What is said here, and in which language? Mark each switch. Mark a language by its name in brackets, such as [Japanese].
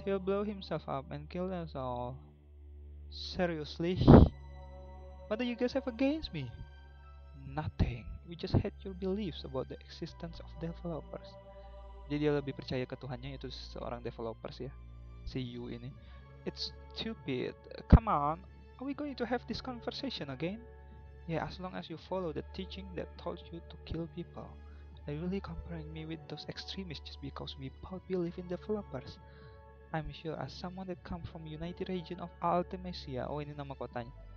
[English] He'll blow himself up and kill us all. Seriously? What do you guys have against me? Nothing. We just had your beliefs about the existence of developers. [Indonesian] Jadi dia lebih percaya ke Tuhannya, itu seorang developer sih ya, si Yu ini. [English] It's stupid. Come on, are we going to have this conversation again? Yeah, as long as you follow the teaching that taught you to kill people. Are you really comparing me with those extremists just because we both believe in developers? I'm sure as someone that come from United Region of Altimesia, [Indonesian] oh ini nama kotanya.